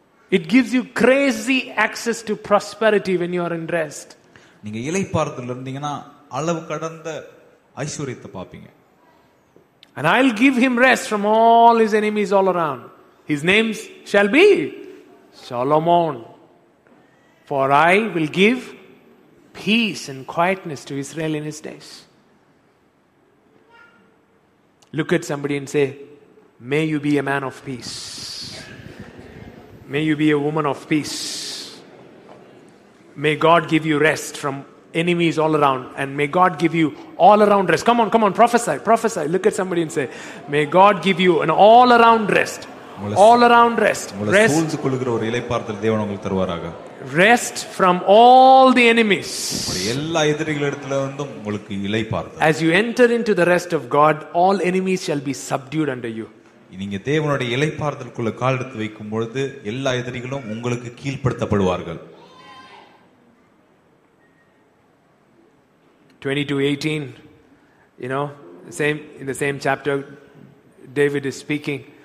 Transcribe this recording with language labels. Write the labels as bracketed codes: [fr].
[en] It gives you crazy access to prosperity when you are in rest. [ta] நீங்க இளைப்பாறுதல் இருந்தீங்கன்னா அளவு கடந்த ஐஸ்வர்யத்தை பார்ப்பீங்க. [en] And I'll give him rest from all his enemies all around. His name shall be Solomon. For I will give peace and quietness to Israel in his days. Look at somebody and say, may you be a man of peace. May you be a woman of peace. May God give you rest from enemies all around, and may God give you all around rest. Come on, come on, prophesy. Look at somebody and say, may God give you an all around rest. All around rest. Rest from all the enemies. As you enter into the rest of God, all enemies shall be subdued under you. [ta] நீங்க தேவனுடைய இளைப்பாறுதலுக்குள்ள கால் எடுத்து வைக்கும் பொழுது எல்லா எதிரிகளும் உங்களுக்கு கீழ்படுத்தப்படுவார்கள். [en] 22:18, you know, in the same chapter, David is speaking.